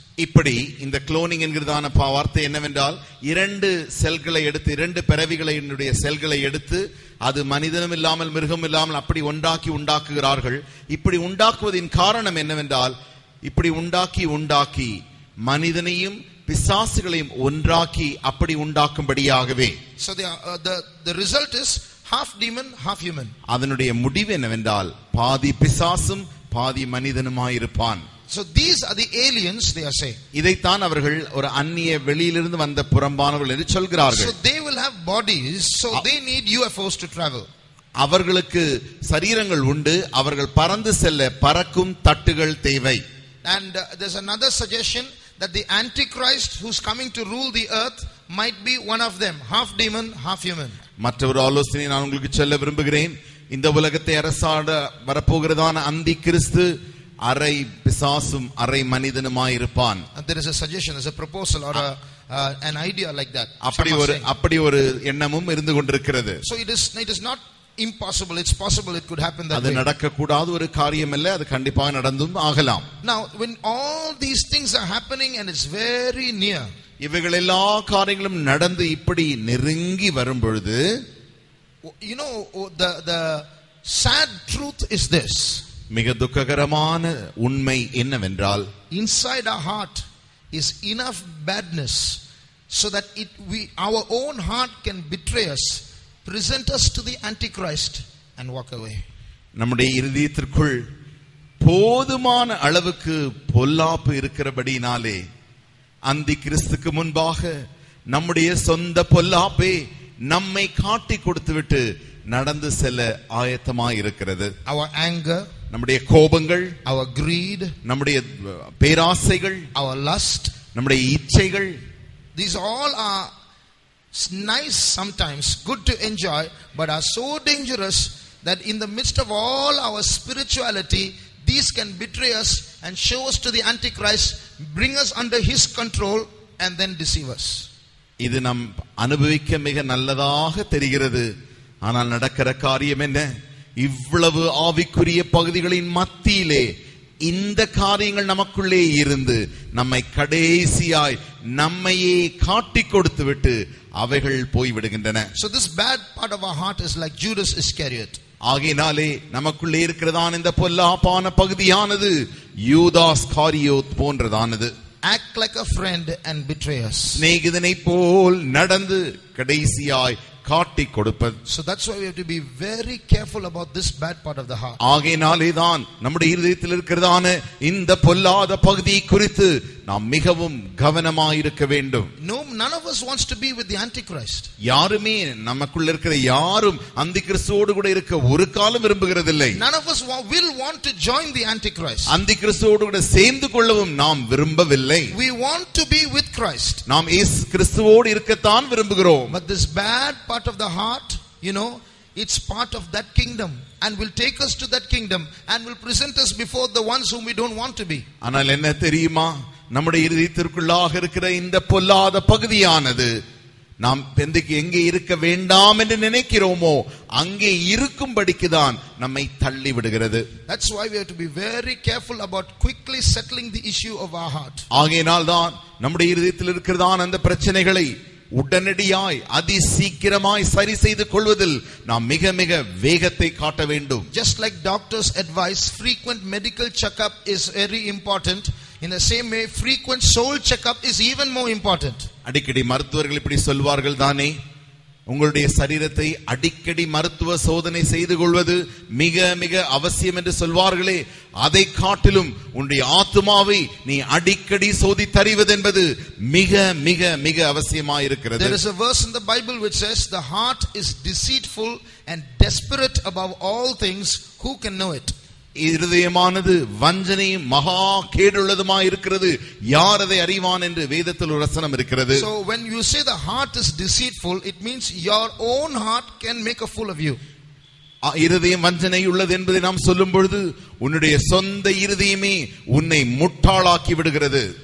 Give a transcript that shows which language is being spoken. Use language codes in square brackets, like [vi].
[ta] இப்படி இந்த cloning என்கிறதான பாவார்த்தை என்னவென்றால், இரண்டு செல்களை எடுத்து இரண்டு பிறவிகளினுடைய செல்களை எடுத்து அது மனிதனும் இல்லாமல் மிருகமும் இல்லாமல் அப்படி உண்டாக்கி உண்டாக்குகிறார்கள். இப்படி உண்டாக்குவதின் காரணம் என்னவென்றால், இப்படி உண்டாக்கி உண்டாக்கி மனிதனையும் பிசாசுகளையும் ஒன்றாக்கி அப்படி உண்டாக்கும்படியாகவே. [en] So the result is half demon half human. [ta] அதனுடைய முடிவு என்னவென்றால் பாதி பிசாசும் பாதி மனிதனுமாய் இருப்பான். [en] So these are the aliens they are saying. [ta] இதைத்தான் அவர்கள் ஒரு அந்நிய வெளியிலிருந்து வந்த புறம்பானவர்கள் என்று சொல்கிறார்கள். [en] So they will have bodies, so they need UFOs to travel. [ta] அவர்களுக்கு சரீரங்கள் உண்டு, அவர்கள் பறந்து செல்ல பறக்கும் தட்டுகள் தேவை. [en] And there's another suggestion that the Antichrist who's coming to rule the earth might be one of them, half demon half human. [ta] மற்றொரு ஆலோசனை நான் உங்களுக்கு சொல்ல விரும்புகிறேன். இந்த உலகத்தை அரசாட வரப்போகிறதான அந்தி கிறிஸ்து அரை பிசாசும் அரை மனிதனுமாய் இருப்பான். [en] There is a suggestion, there is a proposal or an idea like that. [ta] அப்படி ஒரு எண்ணமும் இருந்து கொண்டிருக்கிறது. [en] So it is not impossible, it's possible it could happen that [ta] அது நடக்க கூடாத ஒரு காரியம் இல்ல, அது கண்டிப்பாக நடந்தும் ஆகலாம். [en] Now when all these things are happening and it's very near, [ta] இவைகள் எல்லா காரியங்களும் நடந்து இப்படி நெருங்கி வரும் பொழுது, [en] you know the sad truth is this, [ta] மிக துக்ககரமான உண்மை என்னவென்றால், [en] inside our heart is enough badness so that our own heart can betray us, present us to the Antichrist and walk away. [ta] நம்முடைய இருதயத்திற்குள் போதுமான அளவுக்கு பொல்லாப்பு இருக்கிறபடியினாலே அந்தி கிறிஸ்துக்கு முன்பாக நம்முடைய சொந்த பொல்லாப்பே நம்மை காட்டி கொடுத்துவிட்டு நடந்து செல்ல ஆயத்தமாக இருக்கிறது. [en] Our anger, [ta] நம்முடைய கோபங்கள், [en] our greed, [ta] நம்முடைய பேராசைகள், [en] our lust, [ta] நம்முடைய இச்சைகள், [en] these all are nice sometimes, good to enjoy, but are so dangerous that in the midst of all our spirituality, these can betray us and show us to the Antichrist, bring us under his control and then deceive us. [ta] இது நம் அனுபவிக்க மிக நல்லதாக தெரிகிறது, ஆனால் நடக்கிற காரியம் என்ன? இவ்வளவு ஆவிக்குரிய பகுதிகளின் மத்தியிலே இந்த காரியங்கள் நமக்குள்ளே இருந்து நம்மை கடைசியாய் நம்மையே காட்டி கொடுத்து விட்டு அவைகள் போய்விடுகின்றன. [en] So this bad part of our heart is like Judas Iscariot. [ta] ஆகையினாலே நமக்குள்ளே இருக்கிறதான் இந்த பொல்லாப்பான பகுதியானது யூதாஸ் காரியோத் போன்றதானது. [en] Act like a friend and betray us. [ta] சிநேகிதனை போல் நடந்து கடைசியாய் காட்டி கொடுப்பது. [en] So that's why we have to be very careful about this bad part of the heart. [ta] ஆகையினாலே தான் நம்முடைய இருதயத்தில் இருக்கிறதான இந்த பொல்லாத பகுதி குறித்து நாம் மிகவும் கவனமாயிருக்க வேண்டும். [en] No, none of us wants to be with the Antichrist. [ta] யாருமே நமக்குள்ள இருக்கிற யாரும் அந்திகிறிஸ்துவோடு கூட இருக்க ஒரு காலம் விரும்புகிறதில்லை. [en] None of us will want to join the Antichrist. [ta] அந்திகிறிஸ்துவோடு கூட சேர்ந்து கொள்ளவும் நாம் விரும்பவில்லை. [en] We want to be with Christ. [ta] நாம் இயேசு கிறிஸ்துவோடு இருக்கத்தான் விரும்புகிறோம். [en] But this bad part of the heart, you know, it's part of that kingdom and will take us to that kingdom and will present us before the ones whom we don't want to be. [ta] ஆனால் என்ன தெரியுமா, நம்முடைய இருதயத்திற்குள்ளாக இருக்கிற இந்த பொல்லாத பகுதியானது நாம் பெந்துக்கு எங்கே இருக்க வேண்டாம் என்று நினைக்கிறோமோ அங்கே இருக்கும்படிக்கு தான் நம்மை தள்ளி விடுகிறது. [en] That's why we have to be very careful about quickly settling the issue of our heart. [ta] ஆகையினால் தான் நம்முடைய இருதயத்தில் இருக்கிறதான் அந்த பிரச்சனைகளை உடனடியாய் அதி சீக்கிரமாய் சரி செய்து கொள்வதில் நாம் மிக மிக வேகத்தை காட்ட வேண்டும். [en] Just like doctor's advice, frequent medical checkup is very important. In the same way, frequent soul checkup is even more important. [ta] அடிக்கடி மருத்துவர்கள் இப்படி சொல்வார்கள் தானே, உங்களுடைய சரீரத்தை அடிக்கடி மருத்துவ சோதனை செய்து கொள்வது மிக மிக அவசியம் என்று சொல்வார்களே, அதை காட்டிலும் உன்னுடைய ஆத்மாவை நீ அடிக்கடி சோதித்தறிவது என்பது மிக மிக மிக அவசியமாயிருக்கிறது. [en] There is a verse in the Bible which says the heart is deceitful and desperate above all things, who can know it? [ta] இருதயமானது வஞ்சனையும் மகா கேடுள்ளதுமாய் இருக்கிறது, யார் அதை அறிவான் என்று வேதத்தில் ஒரு வசனம் இருக்கிறது. [en] So when you say the heart is deceitful, it means your own heart can make a fool of you. [ta] இருதயம் வஞ்சனை உள்ளது என்பதை நாம் சொல்லும் பொழுது உன்னுடைய சொந்த இருதயமே உன்னை முட்டாளாக்கி விடுகிறது.